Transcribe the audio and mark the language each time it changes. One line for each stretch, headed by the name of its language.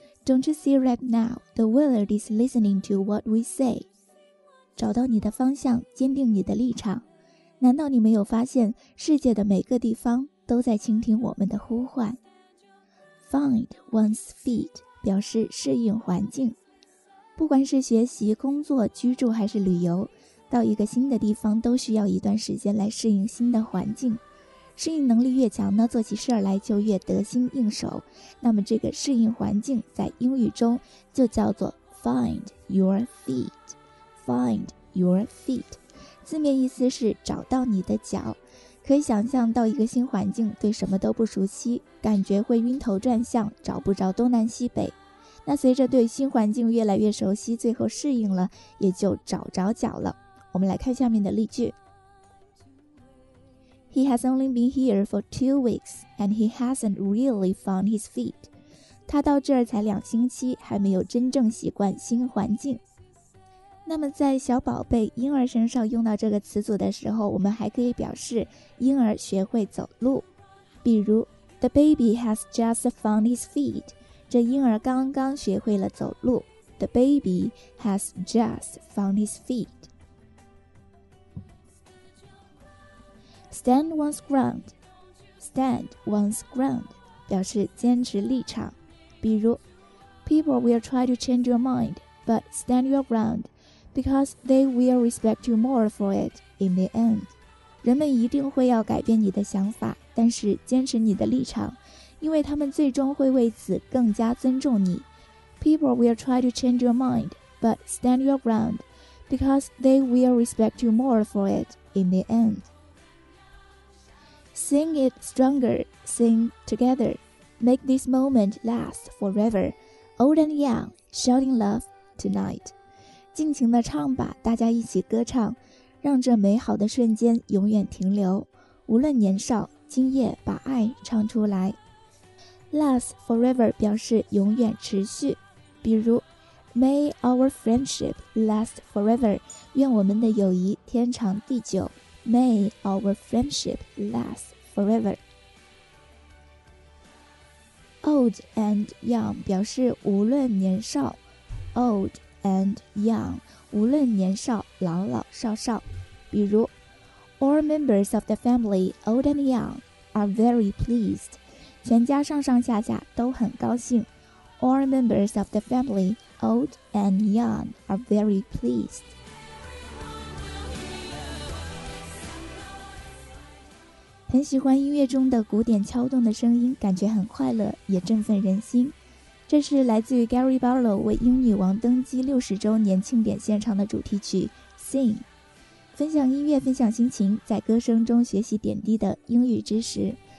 English: Don't you see right now, the world is listening to what we say.
Chinese: 找到你的方向，坚定你的立场。难道你没有发现，世界的每个地方都在倾听我们的呼唤？
English: Find one's feet
Chinese: 表示适应环境。不管是学习、工作、居住还是旅游，到一个新的地方都需要一段时间来适应新的环境。适应能力越强呢，做起事儿来就越得心应手。那么这个适应环境在英语中就叫做
English: find your feet。 find your feet
Chinese: 字面意思是找到你的脚。可以想象到一个新环境，对什么都不熟悉，感觉会晕头转向，找不着东南西北。那随着对新环境越来越熟悉，最后适应了，也就找着脚了。我们来看下面的例句。
English: He has only been here for 2 weeks, and he hasn't really found his feet.
Chinese: 他到这儿才两星期，还没有真正习惯新环境。那么在小宝贝、婴儿身上用到这个词组的时候，我们还可以表示婴儿学会走路。比如
English: ,The baby has just found his feet.
Chinese: 这婴儿刚刚学会了走路。
English: The baby has just found his feet. Stand one's ground. Stand one's ground
Chinese: 表示坚持立场。比如
English: People will try to change your mind, but stand your ground, because they will respect you more for it in the end.
Chinese: 人们一定会要改变你的想法，但是坚持你的立场，因为他们最终会为此更加尊重你。
English: People will try to change your mind, but stand your ground, because they will respect you more for it in the end. Sing it stronger, sing together. Make this moment last forever. Old and young, shouting love tonight.
Chinese: 尽情地唱吧，大家一起歌唱，让这美好的瞬间永远停留。无论年少，今夜把爱唱出来。
English: Last forever
Chinese: 表示永远持续。比如
English: May our friendship last forever.
Chinese: 愿我们的友谊天长地久。
English: May our friendship last forever. Old and young
Chinese: 表示无论年少。
English: Old and young
Chinese: 无论年少，老老少少。比如
English: All members of the family, old and young, are very pleased.
Chinese: 全家上上下下都很高兴。
English: All members of the family, old and young, are very pleased.
Chinese: 很喜欢音乐中的鼓点敲动的声音，感觉很快乐，也振奋人心。这是来自于 Gary Barlow 为英女王登基60周年庆典现场的主题曲 Sing。分享音乐，分享心情，在歌声中学习点滴的英语知识。